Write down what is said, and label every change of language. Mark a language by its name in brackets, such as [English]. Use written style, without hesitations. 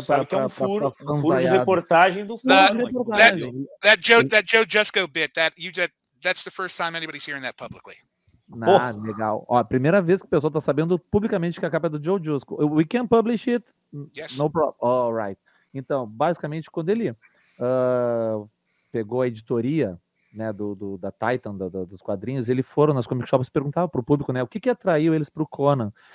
[Portuguese] sabe que é um furo de reportagem do Fórum. [English] That Joe Jusco bit, that's the first time anybody's hearing that publicly. [Portuguese] Nah, legal. Ó, primeira vez que o pessoal tá sabendo publicamente que a capa é do Joe Jusco. [English] We can publish it. Yes. No problem. All right. [Portuguese] Então, basicamente, quando ele pegou a editoria, né, da Titan, dos quadrinhos, eles foram nas comic shops e perguntavam pro público, né, o que atraiu eles pro Conan.